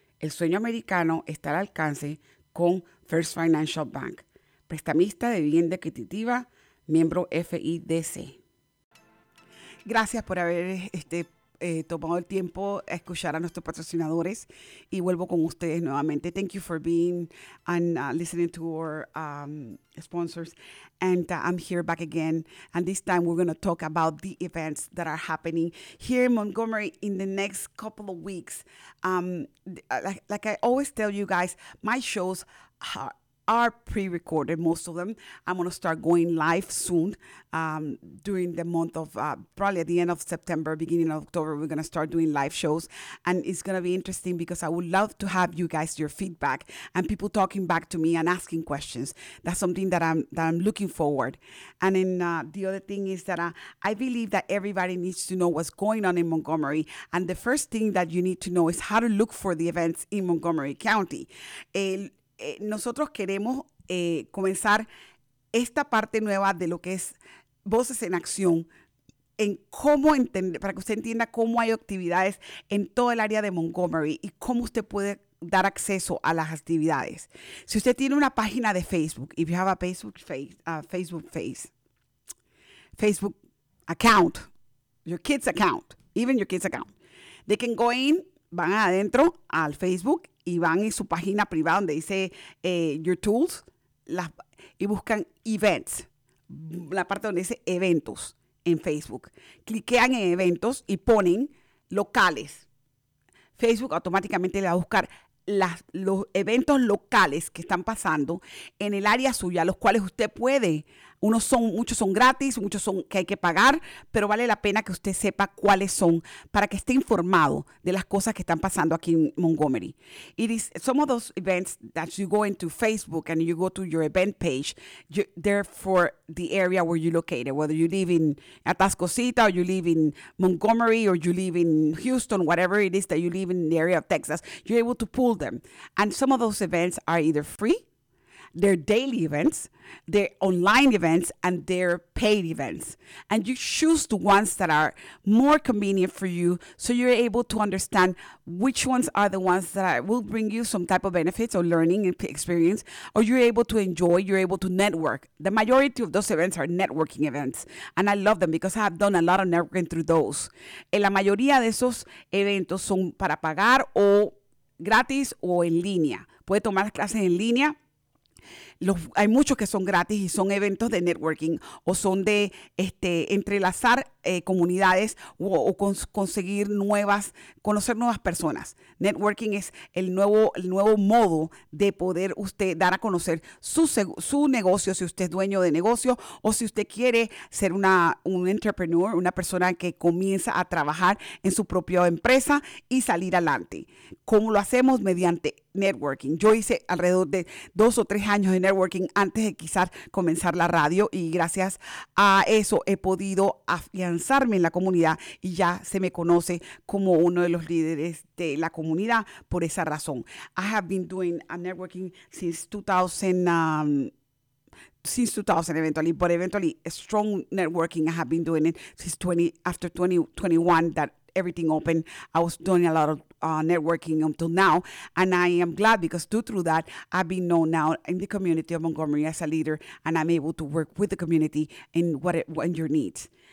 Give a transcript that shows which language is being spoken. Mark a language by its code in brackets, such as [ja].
[es] El sueño americano está al alcance con First Financial Bank, prestamista de vivienda adquisitiva, miembro FIDC. Gracias por haber tomado el tiempo a escuchar a nuestros patrocinadores y vuelvo con ustedes nuevamente. [en] Thank you for being and listening to our sponsors. And I'm here back again. And this time we're going to talk about the events that are happening here in Montgomery in the next couple of weeks. Like I always tell you guys, my shows are pre-recorded, most of them. I'm going to start going live soon during the month of, probably at the end of September, beginning of October, we're going to start doing live shows. And it's going to be interesting because I would love to have you guys, your feedback and people talking back to me and asking questions. That's something that I'm looking forward. And then the other thing is that I believe that everybody needs to know what's going on in Montgomery. And the first thing that you need to know is how to look for the events in Montgomery County. [es] Nosotros queremos comenzar esta parte nueva de lo que es Voces en Acción, en cómo entender, para que usted entienda cómo hay actividades en todo el área de Montgomery y cómo usted puede dar acceso a las actividades. Si usted tiene una página de Facebook, if you have a Facebook account, your kids account, even your kids account, they can go in, van adentro al Facebook y van en su página privada donde dice Your Tools y buscan Events, la parte donde dice Eventos en Facebook. Cliquean en Eventos y ponen Locales. Facebook automáticamente le va a buscar los eventos locales que están pasando en el área suya, los cuales usted puede. Muchos son gratis, muchos son que hay que pagar, pero vale la pena que usted sepa cuáles son para que esté informado de las cosas que están pasando aquí en Montgomery. [en] It is some of those events that you go into Facebook and you go to your event page, they're for the area where you're located, whether you live in Atascocita or you live in Montgomery or you live in Houston, whatever it is that you live in the area of Texas, you're able to pull them. And some of those events are either free, they're daily events, they're online events, and they're paid events. And you choose the ones that are more convenient for you so you're able to understand which ones are the ones that will bring you some type of benefits or learning experience, or you're able to enjoy, you're able to network. The majority of those events are networking events, and I love them because I have done a lot of networking through those. [es] En la mayoría de esos eventos son para pagar o gratis o en línea. Puede tomar las clases en línea. Hay muchos que son gratis y son eventos de networking o son de entrelazar comunidades o conseguir conocer nuevas personas. Networking es el nuevo modo de poder usted dar a conocer su negocio, si usted es dueño de negocio o si usted quiere ser un entrepreneur, una persona que comienza a trabajar en su propia empresa y salir adelante. ¿Cómo lo hacemos? Mediante networking. Yo hice alrededor de 2 o 3 años de networking antes de quizás comenzar la radio y gracias a eso he podido afianzarme en la comunidad y ya se me conoce como uno de los líderes de la comunidad por esa razón. I have been doing networking since 2000, [en] since 2000, eventually, but eventually a strong networking. I have been doing it since 2021 that everything opened. I was doing a lot of networking until now. And I am glad because through that, I've been known now in the community of Montgomery as a leader, and I'm able to work with the community in what it, in your needs.